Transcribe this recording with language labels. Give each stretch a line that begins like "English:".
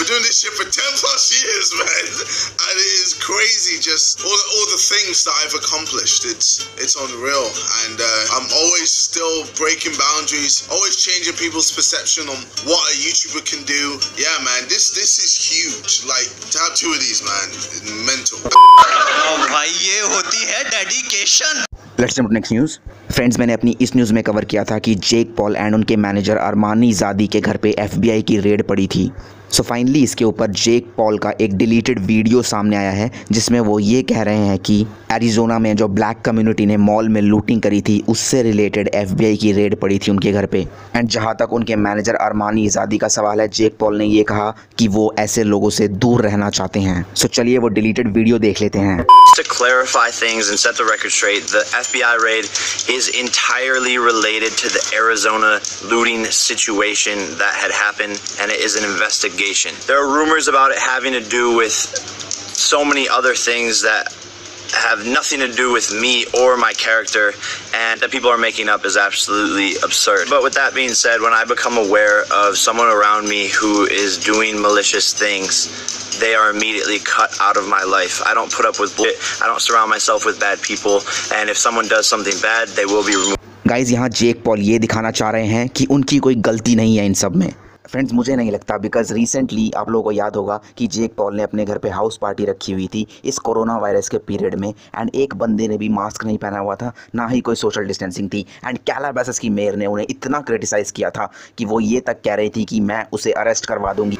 English: We're doing this shit for 10 plus years, man. And it is crazy, just all the things that I've accomplished. It's unreal. And I'm always still breaking boundaries, always changing people's perception on what a YouTuber can do. Yeah, man, this is huge. Like, to have 2 of these, man, mental.
Hindi: भाई ये होती है dedication.
English: Let's jump to next news.
Hindi: Friends, मैंने अपनी इस news में cover किया था कि जेक पॉल एंड उनके मैनेजर अरमानी जादी के घर पे FBI की रेड पड़ी थी। सो फाइनली इसके ऊपर जेक पॉल का एक डिलीटेड वीडियो सामने आया है, जिसमें वो ये कह रहे हैं कि एरिजोना में जो ब्लैक कम्युनिटी ने मॉल में लूटिंग करी थी, उससे रिलेटेड FBI की रेड पड़ी थी उनके घर पे। एंड जहां तक उनके मैनेजर अरमानी आजादी का सवाल है, जेक पॉल ने ये कहा कि वो ऐसे लोगों से दूर रहना चाहते हैं। सो चलिए वो डिलीटेड वीडियो देख लेते हैं।
English: To clarify things and set the record straight, the FBI raid is entirely related to the Arizona looting situation that had happened, and it is an investigation. There are rumors about it having to do with so many other things that have nothing to do with me or my character, and that people are making up is absolutely absurd. But with that being said, when I become aware of someone around me who is doing malicious things, they are immediately cut out of my life. I don't put up with bullshit. I don't surround myself with bad people. And if someone does something bad, they will be removed.
Hindi: Guys, यहाँ Jake Paul ये दिखाना चाह रहे हैं कि उनकी कोई गलती नहीं है इन सब में। फ्रेंड्स मुझे नहीं लगता, बिकॉज रिसेंटली आप लोगों को याद होगा कि जेक पॉल ने अपने घर पे हाउस पार्टी रखी हुई थी इस कोरोना वायरस के पीरियड में, एंड एक बंदे ने भी मास्क नहीं पहना हुआ था, ना ही कोई सोशल डिस्टेंसिंग थी, एंड कैलाबासस की मेयर ने उन्हें इतना क्रिटिसाइज किया था कि वो ये तक कह रही थी कि मैं उसे अरेस्ट करवा दूंगी।